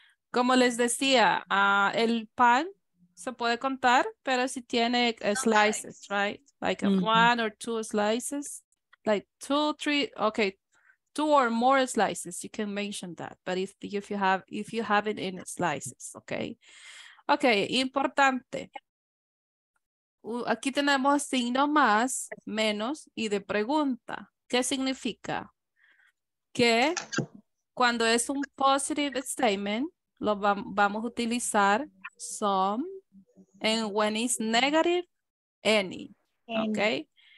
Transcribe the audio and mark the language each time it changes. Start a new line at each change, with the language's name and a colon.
Spanish: Como les decía, el pan se puede contar, pero si tiene
English: slices, right? Like one or two slices, like two, three, okay. Two or more slices, you can mention that. But if you have it in slices, okay?
Spanish: Okay, importante. Aquí tenemos signo más, menos y de pregunta. ¿Qué significa? Que cuando es un
English: positive statement,
Spanish: lo vamos a utilizar some.
English: And when it's negative, any. Okay?